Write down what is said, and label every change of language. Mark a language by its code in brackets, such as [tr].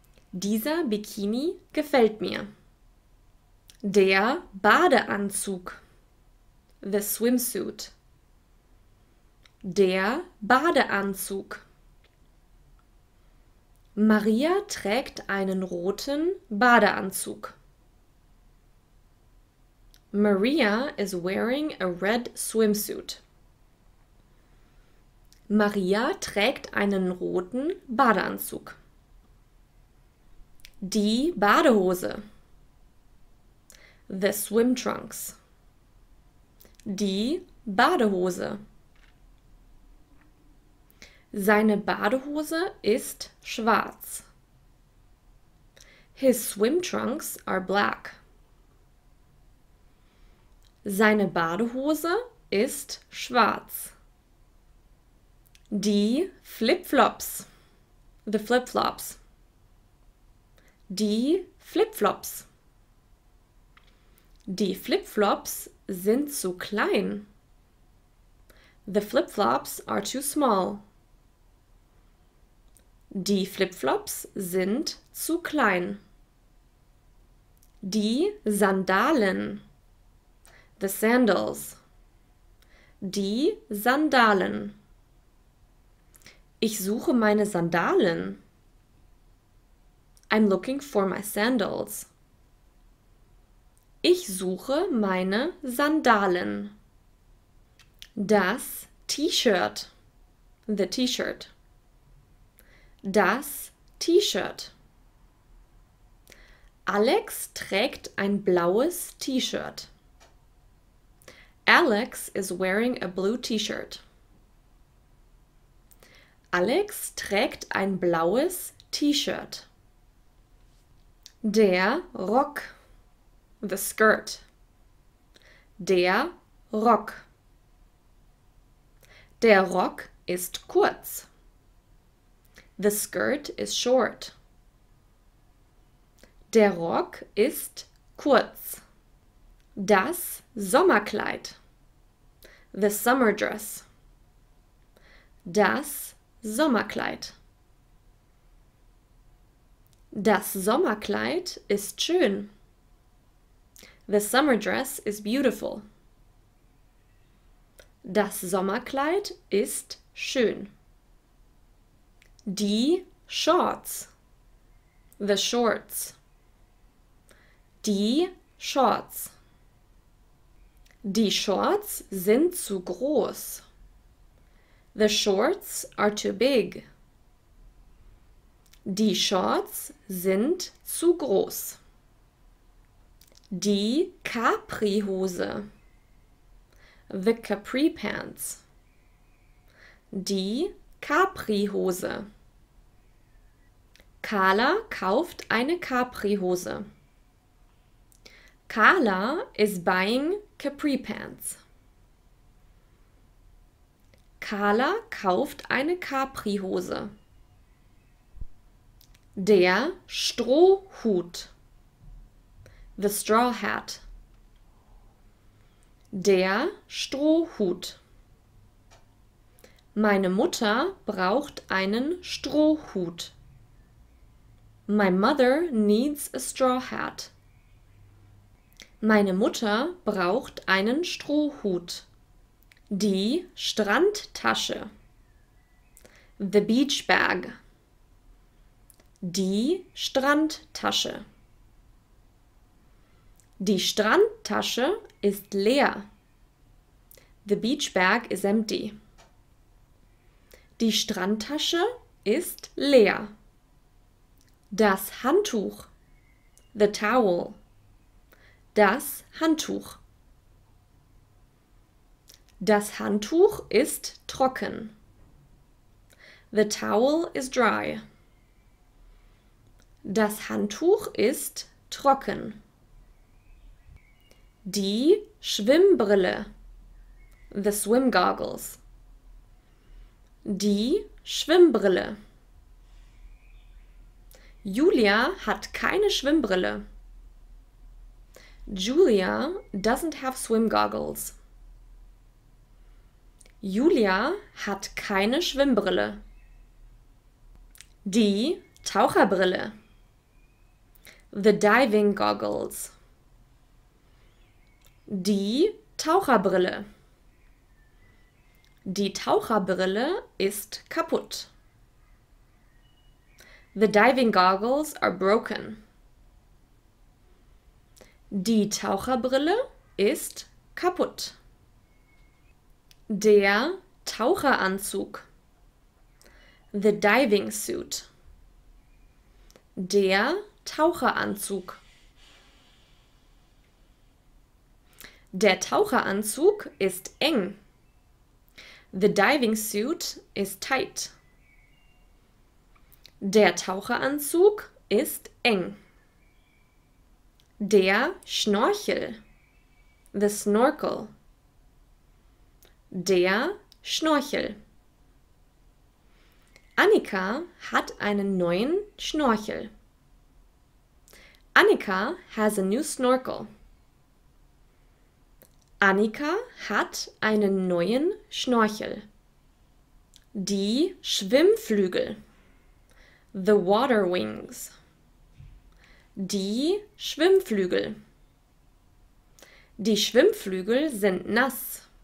[de] Dieser Bikini gefällt mir. Der Badeanzug. [en] The Swimsuit. [de] Der Badeanzug. Maria trägt einen roten Badeanzug. [en] Maria is wearing a red swimsuit. [de] Maria trägt einen roten Badeanzug. Die Badehose. [en] The swim trunks. [de] Die Badehose. Seine Badehose ist schwarz. [en] His swim trunks are black. [de] Seine Badehose ist schwarz. Die Flipflops. [en] The flip-flops. [de] Die Flipflops. Die Flipflops sind zu klein. [en] The flip-flops are too small. [de] Die Flipflops sind zu klein. Die Sandalen. [en] The sandals. [de] Die Sandalen. Ich suche meine Sandalen. [en] I'm looking for my sandals. [de] Ich suche meine Sandalen. Das T-Shirt. [en] The T-Shirt. [de] Das T-Shirt. Alex trägt ein blaues T-Shirt. [en] Alex is wearing a blue T-Shirt. [de] Alex trägt ein blaues T-Shirt. Der Rock. [en] The skirt. [de] Der Rock. Der Rock ist kurz. [en] The skirt is short. [de] Der Rock ist kurz. Das Sommerkleid. [en] The summer dress. [de] Das Sommerkleid. Das Sommerkleid ist schön. [en] The summer dress is beautiful. [de] Das Sommerkleid ist schön. Die Shorts. [en] The shorts. [de] Die Shorts. Die Shorts sind zu groß. [en] The shorts are too big. [de] Die Shorts sind zu groß. Die Capri-Hose. [en] The Capri Pants. [de] Die Capri-Hose. Carla kauft eine Capri-Hose. [en] Carla is buying Capri Pants. [de] Carla kauft eine Capri-Hose. Der Strohhut. [en] The Straw Hat. [de] Der Strohhut. Meine Mutter braucht einen Strohhut. [en] My mother needs a straw hat. [de] Meine Mutter braucht einen Strohhut. Die Strandtasche. [en] The beach bag. [de] Die Strandtasche. Die Strandtasche ist leer. [en] The beach bag is empty. [de] Die Strandtasche ist leer. Das Handtuch. [en] The towel. [de] Das Handtuch. Das Handtuch ist trocken. [en] The towel is dry. [de] Das Handtuch ist trocken. Die Schwimmbrille. [en] The swim goggles. [de] Die Schwimmbrille. Julia hat keine Schwimmbrille. [en] Julia doesn't have swim goggles. [de] Julia hat keine Schwimmbrille. Die Taucherbrille. [en] The diving goggles. [de] Die Taucherbrille. Die Taucherbrille ist kaputt. [en] The diving goggles are broken. [de] Die Taucherbrille ist kaputt. Der Taucheranzug. [en] The diving suit. [de] Der Taucheranzug. Der Taucheranzug ist eng. [en] The diving suit is tight. [de] Der Taucheranzug ist eng. Der Schnorchel. [en] The snorkel. [de] Der Schnorchel. Annika hat einen neuen Schnorchel. [en] Annika has a new snorkel. [de] Annika hat einen neuen Schnorchel. Die Schwimmflügel. [en] The water wings. [de] Die Schwimmflügel. Die Schwimmflügel sind nass.